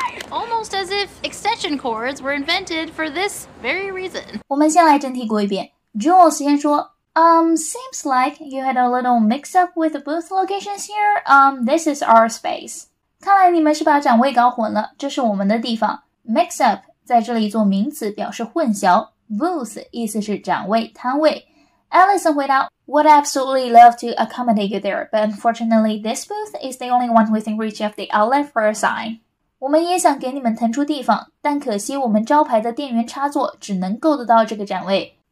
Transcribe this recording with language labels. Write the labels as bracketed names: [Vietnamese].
[English] Almost as if extension cords were invented for this very reason. [Chinese] 我们先来整体过一遍。 [English] Joel [Chinese] 先说 [English] seems like you had a little mix-up with the booth locations here. This is our space. [Chinese] 看来你们是把展位搞混了，这是我们的地方。 Mix-up 在这里做名词表示混淆。Booth 意思是展位、摊位。 [English] Allison [Chinese] 回答 [English] Would absolutely love to accommodate you there, but unfortunately this booth is the only one within reach of the outlet for a sign. [Chinese] 我们也想给你们腾出地方，但可惜我们招牌的电源插座只能够得到这个展位。